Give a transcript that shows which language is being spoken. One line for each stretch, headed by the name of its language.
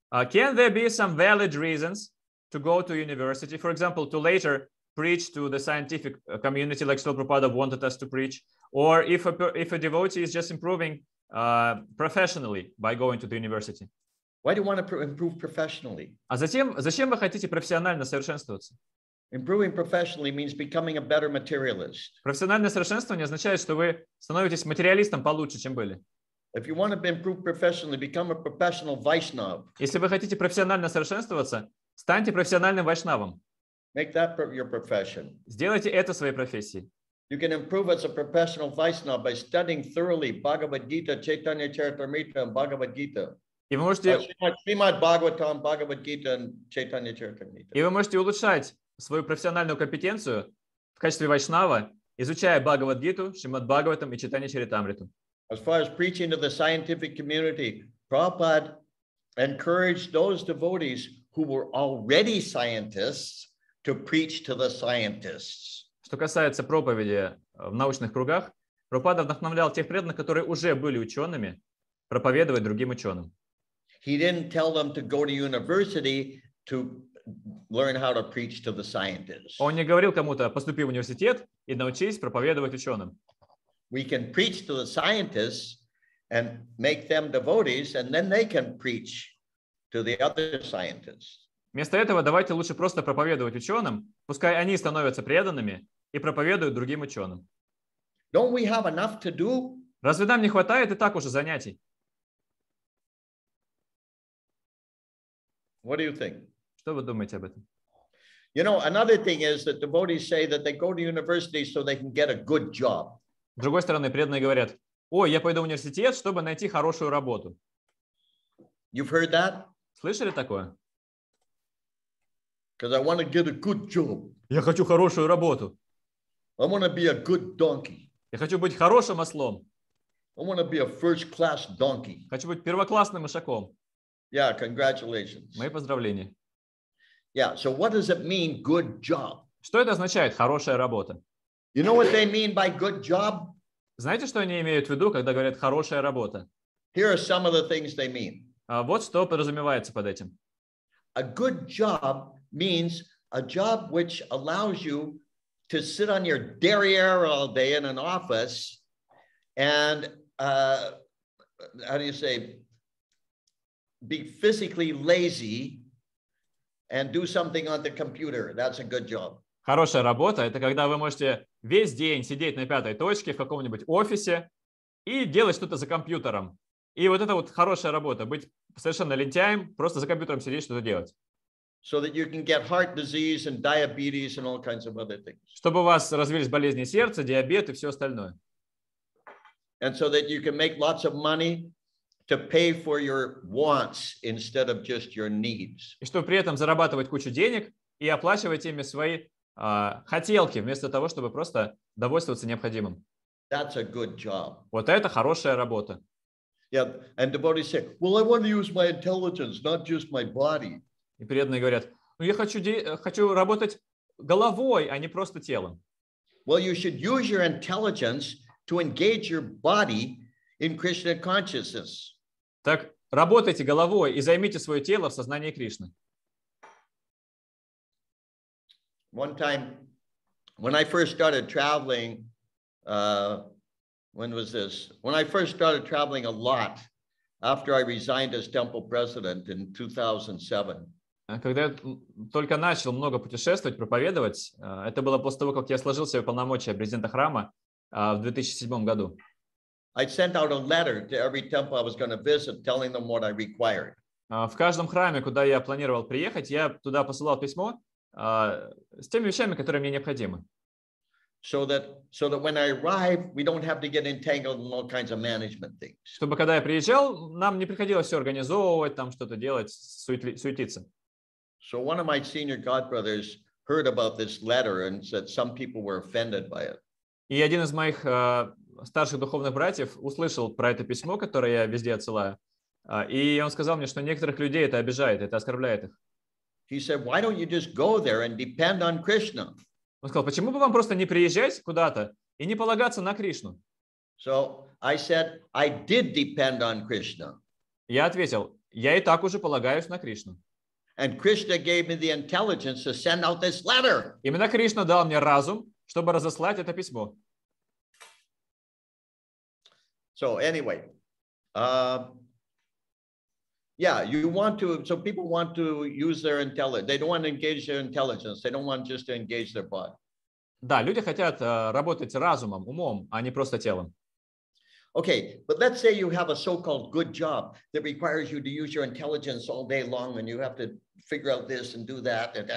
English: Can there be some valid reasons to go to university, for example, to later preach to the scientific community like Srila Prabhupada wanted us to preach, or if a devotee is just improving professionally by going to the university. Why do you want to improve professionally?
Russian: А затем, зачем вы хотите профессионально совершенствоваться?
English: Improving professionally means becoming a better materialist.
Russian: Профессиональное совершенствование означает, что вы становитесь материалистом получше, чем были.
English: If you want to improve professionally, become a professional Vaishnav.
Russian: Если вы хотите профессионально совершенствоваться, станьте профессиональным вайшнавом.
English: Make that your profession.
Russian: Сделайте это своей профессией.
English: You can improve as a professional Vaishnava by studying thoroughly Bhagavad Gita, Chaitanya Charitamrita, and Bhagavad Gita.
Russian: И вы можете
English: Shrimad Bhagavatam, Bhagavad Gita, and Chaitanya Charitamrita.
Russian: И вы можете улучшать свою профессиональную компетенцию в качестве вайшнава, изучая Бхагавад Гиту, Шримад Бхагаватам и Чайтанья Чаритамриту.
English: As far as preaching to the scientific community, Prabhupada encouraged those devotees who were already scientists to preach to the scientists.
Russian: Что касается проповеди в научных кругах, Прабхупада вдохновлял тех преданных, которые уже были учеными, проповедовать другим ученым.
English: He didn't tell them to go to university to learn how to preach to the scientists.
Russian: Он не говорил кому-то: поступи в университет и научись проповедовать ученым.
English: We can preach to the scientists and make them devotees, and then they can preach to the other scientists.
Russian: Вместо этого давайте лучше просто проповедовать ученым, пускай они становятся преданными и проповедуют другим ученым.
English: Don't we have enough to do?
Russian: Разве нам не хватает и так уже занятий?
English: What do you think?
Russian: Что вы думаете об этом?
English: You know, another thing is that devotees say that they go to university so they can get a good job.
Russian: С другой стороны, преданные говорят: «Ой, я пойду в университет, чтобы найти хорошую работу».
English: You've heard that?
Russian: Слышали такое?
English: Because I want to get a good job.
Russian: Я хочу хорошую работу.
English: I want to be a good donkey.
Russian: Я хочу быть хорошим ослом.
English: I want to be a first-class donkey.
Russian: Хочу быть первоклассным ишаком.
English: Yeah, congratulations.
Russian: Мои поздравления.
English: Yeah, so what does it mean, good job?
Russian: Что это означает, хорошая работа?
English: You know what they mean by good job?
Russian: Знаете, что они имеют в виду, когда говорят хорошая работа?
English: Here are some of the things they mean.
Russian: Вот что подразумевается под этим.
English: A good job means a job which allows you to sit on your derriere all day in an office and, how do you say, be physically lazy and do something on the computer. That's a good job.
Russian: Хорошая работа – это когда вы можете весь день сидеть на пятой точке в каком-нибудь офисе и делать что-то за компьютером. И вот это вот хорошая работа – быть совершенно лентяем, просто за компьютером сидеть, что-то делать. Чтобы у вас развились болезни сердца, диабет и все остальное.
English: And so that you can make lots of money to pay for your wants instead of just your needs.
Russian: И чтобы при этом зарабатывать кучу денег и оплачивать ими свои хотелки, вместо того, чтобы просто довольствоваться необходимым.
English: That's a good job.
Russian: Вот это хорошая работа.
English: Yeah, and devotees say, well, I want to use my intelligence, not just my body.
Russian: И преданные говорят, ну, я хочу работать головой, а не просто телом.
English: Well, you should use your intelligence to engage your body in Krishna consciousness.
Russian: Так, работайте головой и займите свое тело в сознании Кришны.
English: One time, when I first started traveling, when was this? When I first started traveling a lot, after I resigned as temple president in 2007.
Russian: Когда я только начал много путешествовать, проповедовать, это было после того, как я сложил себе полномочия президента храма в 2007 году.
English: I sent out a letter to every temple I was going to visit, telling them what I required.
Russian: В каждом храме, куда я планировал приехать, я туда посылал письмо с теми вещами, которые мне необходимы.
English: So that when I arrive, we don't have to get entangled in all kinds of management things.
Russian: Чтобы когда я приезжал, нам не приходилось все организовывать, там что-то делать, суетиться.
English: So one of my senior godbrothers heard about this letter and said some people were offended by it.
Russian: И один из моих старших духовных братьев услышал про это письмо, которое я везде отсылаю, и он сказал мне, что некоторых людей это обижает, это оскорбляет их.
English: He said, why don't you just go there and depend on Krishna?
Russian: Он сказал, почему бы вам просто не приезжать куда-то и не полагаться на Кришну?
English: So I said, I did depend on Krishna.
Russian: Я ответил, я и так уже полагаюсь на Кришну.
English: And Krishna gave me the intelligence to send out this letter.
Russian: Именно Кришна дал мне разум, чтобы разослать это письмо.
English: So anyway, yeah, you want to. So people want to use their intelligence. They don't want to engage their intelligence. They don't want just to engage their body.
Russian: Да, люди хотят работать разумом, умом, а не просто телом.
English: Okay, but let's say you have a so-called good job that requires you to use your intelligence all day long, and you have to figure out this and do that.